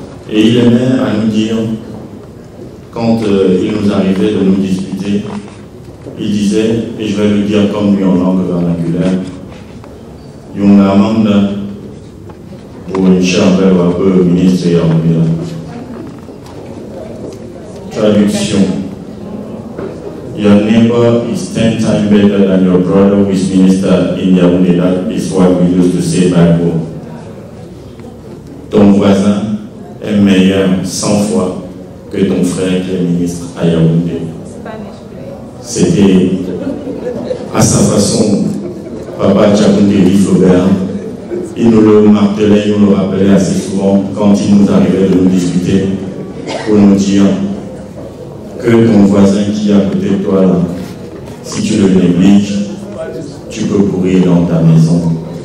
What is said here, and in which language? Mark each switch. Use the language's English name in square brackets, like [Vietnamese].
[French] Et il aimait à nous dire, quand il nous arrivait de nous disputer, il disait, et je vais le dire comme lui en langue vernaculaire, Yung la Manda. Pour une chambre ou un peu ministre et armée. Traduction. [English] Your neighbor is 10 times better than your brother who is minister in Yaoundé. That is what we used to say back home. [French] Ton voisin est meilleur 100 fois que ton frère qui est ministre à Yaoundé. C'était à sa façon, Papa Tchakouté Rifobert. Il nous le martelait, il nous le rappelait assez souvent quand il nous arrivait de nous discuter pour nous dire que ton voisin qui est à côté de toi, là, si tu le négliges, tu peux pourrir dans ta maison.